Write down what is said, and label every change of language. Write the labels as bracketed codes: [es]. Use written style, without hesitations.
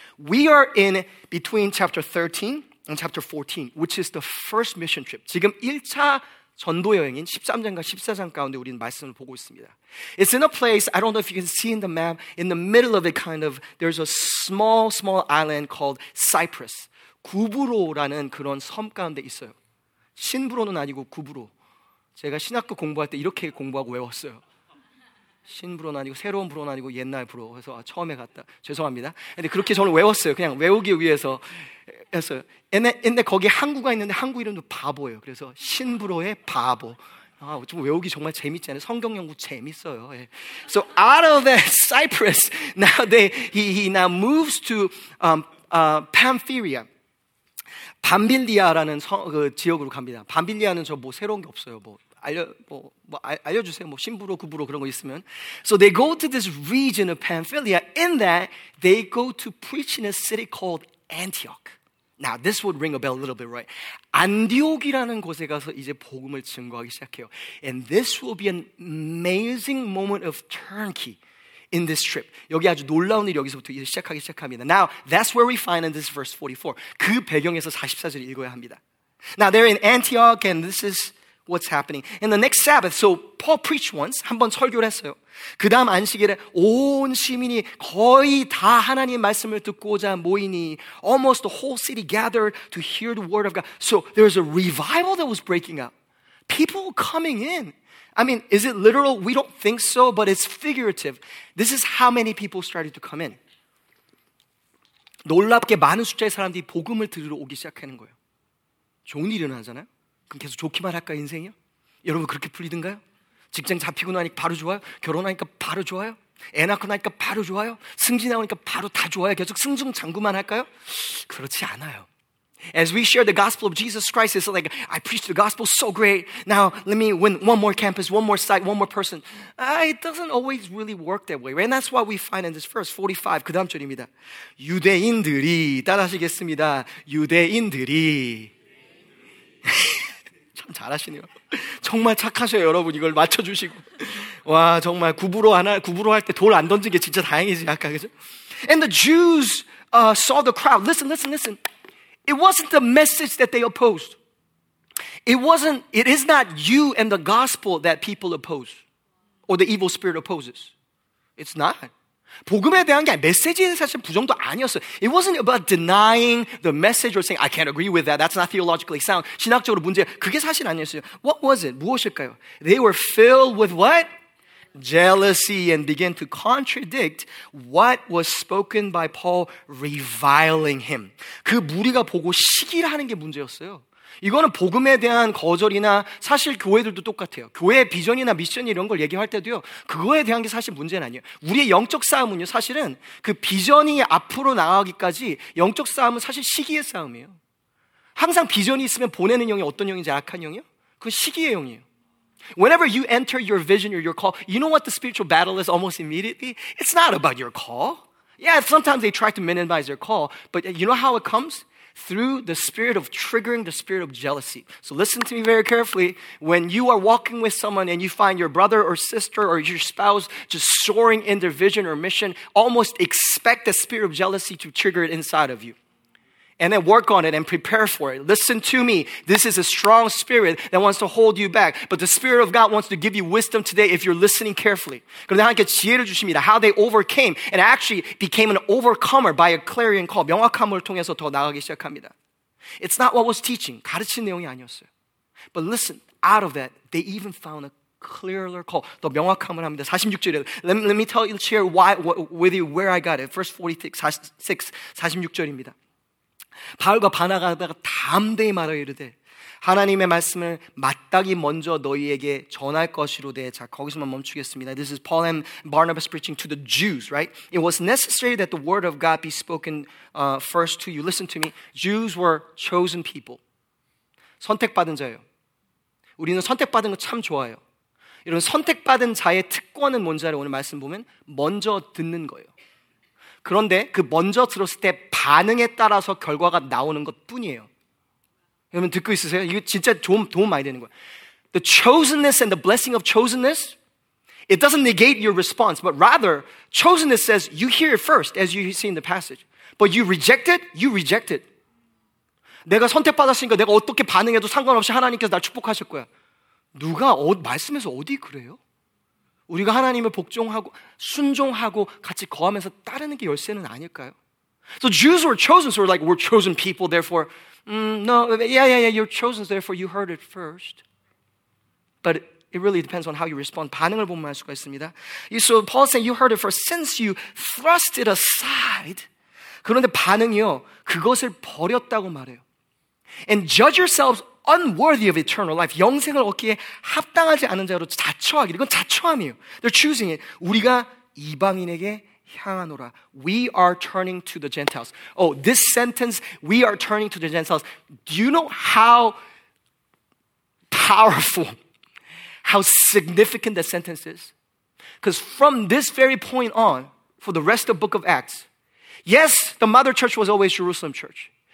[en] We are in between chapter 13 and chapter 14, which is the first mission trip. [ko] 지금 1차 전도 여행인 13장과 14장 가운데 우리는 말씀을 보고 있습니다. [en] It's in a place, I don't know if you can see in the map, in the middle of it kind of, there's a small island called Cyprus. [ko] 구브로라는 그런 섬 가운데 있어요. 신브로는 아니고 구브로. 제가 신학교 공부할 때 이렇게 공부하고 외웠어요. 신브로는 아니고 새로운 브로는 아니고 옛날 브로. 그래서 처음에 갔다. 죄송합니다. 근데 그렇게 저는 외웠어요. 그냥 외우기 위해서 했어요. 근데 거기 항구가 있는데 항구 이름도 바보예요. 그래서 신브로의 바보. 아, 좀 외우기 정말 재밌지 않아요? 성경 연구 재밌어요. 예. [en] So out of that Cyprus, now he now moves to Pamphylia. [ko] 밤빌리아라는 그 지역으로 갑니다. 밤빌리아는 저 뭐 새로운 게 없어요. 알려주세요. 뭐 신부로 구부로 그런 거 있으면. [en] So they go to this region of Pamphylia. In that, they go to preach in a city called Antioch. Now, this would ring a bell a little bit, right? [ko] 안디옥이라는 곳에 가서 이제 복음을 증거하기 시작해요. [en] And this will be an amazing moment of turnkey in this trip. [ko] 여기 아주 놀라운 일이 여기서부터 이제 시작하기 시작합니다. [en] Now, that's where we find in this verse 44. [ko] 그 배경에서 44절을 읽어야 합니다. [en] Now, they're in Antioch, and this is what's happening. And the next Sabbath, so Paul preached once, [ko] 한번 설교를 했어요. 그 다음 안식일에 온 시민이 거의 다 하나님의 말씀을 듣고자 모이니 [en] almost the whole city gathered to hear the word of God. So there's a revival that was breaking out. People coming in. I mean, is it literal? We don't think so, but it's figurative. This is how many people started to come in. [ko] 놀랍게 많은 숫자의 사람들이 복음을 들으러 오기 시작하는 거예요. 좋은 일이 일어나잖아요. 그럼 계속 좋기만 할까 인생이요? 여러분 그렇게 풀리든가요? 직장 잡히고 나니까 바로 좋아요? 결혼하니까 바로 좋아요? 애 낳고 나니까 바로 좋아요? 승진 나오니까 바로 다 좋아요? 계속 승승장구만 할까요? 그렇지 않아요. [en] As we share the gospel of Jesus Christ, it's like, I preached the gospel so great. Now, let me win one more campus, one more site, one more person. It doesn't always really work that way. Right? And that's what we find in this verse 45, [ko] 그 다음 절입니다. 유대인들이, 따라하시겠습니다. 유대인들이. 참 잘하시네요. 정말 착하셔요, 여러분. 이걸 맞춰주시고. 와, 정말 구부로 할 때 돌 안 던진 게 진짜 다행이지, 아까, 그죠? [en] And the Jews saw the crowd. Listen. It wasn't the message that they opposed. It is not you and the gospel that people oppose or the evil spirit opposes. It's not. [ko] 복음에 대한 게 아니라 메시지에 사실 부정도 아니었어요. [en] It wasn't about denying the message or saying I can't agree with that. That's not theologically sound. [ko] 신학적으로 문제야. 그게 사실 아니었어요. [en] What was it? [ko] 무엇일까요? [en] They were filled with what? Jealousy and began to contradict what was spoken by Paul reviling him. [ko] 그 무리가 보고 시기를 하는 게 문제였어요. 이거는 복음에 대한 거절이나 사실 교회들도 똑같아요. 교회의 비전이나 미션 이런 걸 얘기할 때도요. 그거에 대한 게 사실 문제는 아니에요. 우리의 영적 싸움은요. 사실은 그 비전이 앞으로 나가기까지 영적 싸움은 사실 시기의 싸움이에요. 항상 비전이 있으면 보내는 영이 어떤 영인지 악한 영이요? 그 시기의 영이에요. [en] Whenever you enter your vision or your call, you know what the spiritual battle is almost immediately? It's not about your call. Yeah, sometimes they try to minimize their call, but you know how it comes? Through the spirit of triggering the spirit of jealousy. So listen to me very carefully. When you are walking with someone and you find your brother or sister or your spouse just soaring in their vision or mission, almost expect the spirit of jealousy to trigger it inside of you. And then work on it and prepare for it. Listen to me. This is a strong spirit that wants to hold you back. But the Spirit of God wants to give you wisdom today if you're listening carefully. [ko] 그런데 하나님께 지혜를 주십니다. [en] How they overcame and actually became an overcomer by a clarion call. [ko] 명확함을 통해서 더 나가기 시작합니다. [en] It's not what was teaching. [ko] 가르친 내용이 아니었어요. [en] But listen, out of that, they even found a clearer call. [ko] 더 명확함을 합니다. 46절에 [en] let me tell you, share why, with you where I got it. Verse 46, [ko] 46절입니다. 바울과 바나가가 담대히 말하여 이르되 하나님의 말씀을 마땅히 먼저 너희에게 전할 것이로되 자 거기서만 멈추겠습니다. [en] This is Paul and Barnabas preaching to the Jews, right? It was necessary that the word of God be spoken first to you. Listen to me. Jews were chosen people. [ko] 선택받은 자예요. 우리는 선택받은 거 참 좋아요. 이런 선택받은 자의 특권은 뭔지 알아요? 오늘 말씀 보면 먼저 듣는 거예요. 그런데 그 먼저 들었을 때 반응에 따라서 결과가 나오는 것뿐이에요. 여러분 듣고 있으세요? 이거 진짜 도움 많이 되는 거예요. [en] The chosenness and the blessing of chosenness, it doesn't negate your response, but rather, chosenness says you hear it first, as you see in the passage. But you reject it, you reject it. [ko] 내가 선택받았으니까 내가 어떻게 반응해도 상관없이 하나님께서 날 축복하실 거야. 누가 말씀에서 어디 그래요? 우리가 하나님을 복종하고 순종하고 같이 거하면서 따르는 게 열쇠는 아닐까요? [en] So Jews were chosen, so we're like, we're chosen people, therefore, no, you're chosen, therefore you heard it first. But it really depends on how you respond. [ko] 반응을 보면 알 수가 있습니다. [en] So Paul said, you heard it first, since you thrust it aside. [ko] 그런데 반응이요, 그것을 버렸다고 말해요. [en] And judge yourselves unworthy of eternal life. [ko] 영생을 얻기에 합당하지 않은 자로 자처하기. 이건 자처함이에요. [en] They're choosing it. [ko] 우리가 이방인에게 향하노라. [en] We are turning to the Gentiles. Oh, this sentence, we are turning to the Gentiles. Do you know how powerful, how significant that sentence is? Because from this very point on, for the rest of the book of Acts, yes, the mother church was always Jerusalem church.